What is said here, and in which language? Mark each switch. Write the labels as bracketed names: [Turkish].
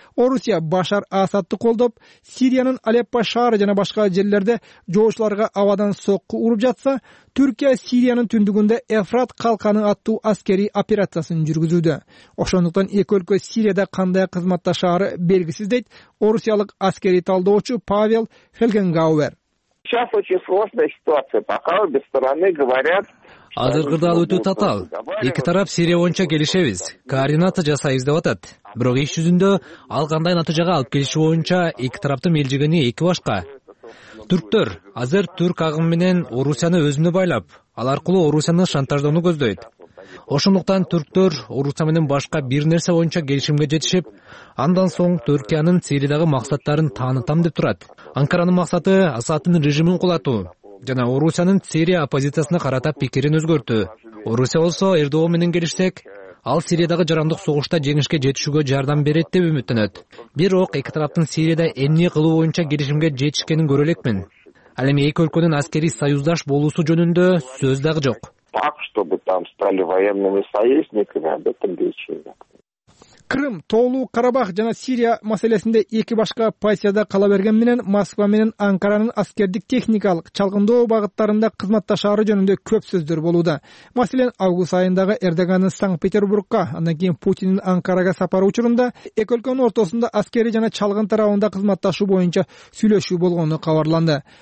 [Kyrgyz] Орусия Башар Асадды колдоп, Сириянын Алеппо шаары жана башка жерлерде жоочуларга абадан сокку уруп жатса, Түркия Сириянын түндүгүндө Эфрат калканы аттуу аскерий операциясын жүргүзүүдө. Ошондуктан эки өлкө Сирияда кандай кызматташары белгисиз, дейт орусиялык аскерий талдоочу Павел Хелгенгауэр. [Russian] Сейчас очень сложная ситуация. Пока обе стороны говорят. [Kyrgyz] Азыркы дал өтө татаал. Эки тарап Сирия боюнча келишебиз, координация жасайбыз деп атат. Бирок иш жүзүндө ал кандай натыйжага алып келиши боюнча эки тараптын мелжигени эки башка. Түрктөр азыр түрк агымы менен Орусияны өзүнө байлап, ал аркылуу Орусияны шантаждоону көздөйт. Ошондуктан түрктөр Орусия менен башка бир нерсе боюнча келишимге жетишип, андан соң Түркиянын Сириядагы максаттарын таанытам деп турат. Анкаранын максаты Асадтын режимин кулатуу жана Орусиянын Сирия оппозициясына карата пикирин өзгөртүү. Орусия болсо РДО менен келишсек, ал Сириядагы жарандык согушта жеңишке жетишүүгө жардам берет деп үмүттөнөт. Бирок эки тараптын Сирияда эмне кылуу боюнча келишимге жетишкенин көрө элек мен. Ал эми эки өлкөнүн аскерий союздаш болуусу жөнүндө сөз дагы жок. [Russian] Так, чтобы там стали военными союзниками, об этом речи нет. [Kyrgyz] Крым, Тоолуу Карабах жана Сирия маселесинде эки башка позицияда кала берген менен Москва менен Анкаранын аскердик техникалык чалгындоо багыттарында кызматташары жөнүндө көп сөздөр болууда. Маселен, август айындагы Эрдогандын Санкт-Петербургка, андан кийин Путиндин Анкарага сапары учурунда эки өлкөнүн ортосунда аскерий жана чалгын тарабында кызматташуу боюнча сүйлөшүү болгону кабарланды.